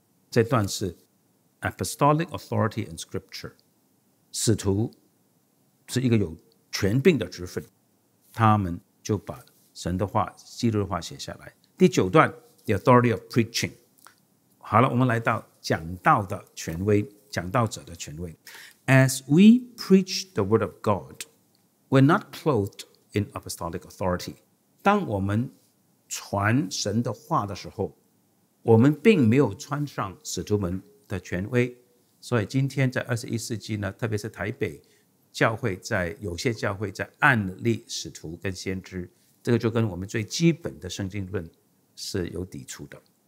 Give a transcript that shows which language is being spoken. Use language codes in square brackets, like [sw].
[zh] 这段是 [en] Apostolic Authority in Scripture， [zh] 使徒是一个有权柄的职分，他们就把神的话、基督的话写下来。第九段 [en] The Authority of Preaching。 [zh] 好了，我们来到讲道的权威，讲道者的权威。 [en] As we preach the word of God, we're not clothed in apostolic authority。 [zh] 当我们传神的话的时候，我们并没有穿上使徒们的权威。所以今天在21世纪呢，特别是台北教会，在有些教会在暗立使徒跟先知，这个就跟我们最基本的圣经论是有抵触的。